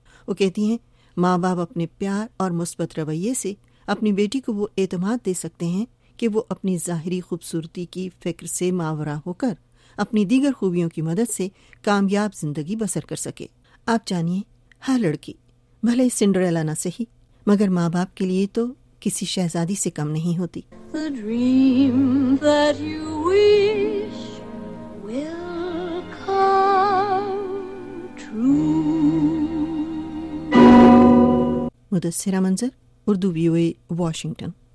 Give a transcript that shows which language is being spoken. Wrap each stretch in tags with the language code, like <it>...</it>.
<ur>وہ کہتی ہیں ماں باپ اپنے پیار اور مثبت رویے سے اپنی بیٹی کو وہ اعتماد دے سکتے ہیں کہ وہ اپنی ظاہری خوبصورتی کی فکر سے ماورا ہو کر اپنی دیگر خوبیوں کی مدد سے کامیاب زندگی بسر کر سکے. آپ جانیے, ہر لڑکی بھلے سنڈریلا نہ سہی مگر ماں باپ کے لیے تو کسی شہزادی سے کم نہیں ہوتی.</ur> <en>The dream that you wish will come true.</en> <ur>مدثرہ منظر, اردو وی او اے, واشنگٹن.</ur>